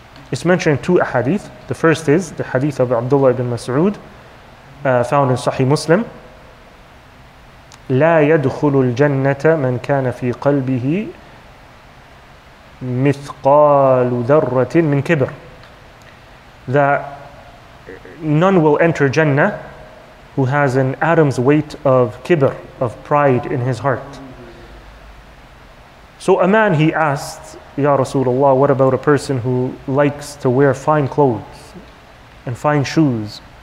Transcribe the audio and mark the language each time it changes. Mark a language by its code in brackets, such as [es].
[en] It's mentioned in two ahadith. The first is the hadith of Abdullah ibn Mas'ud, found in Sahih Muslim. [ar] لا يدخل الجنة من كان في قلبه مثقال ذرة من كبر. [en] That none will enter Jannah who has an atom's weight of kibr, of pride in his heart. So a man, he asked, "Ya Rasulullah, what about a person who likes to wear fine clothes and fine shoes?"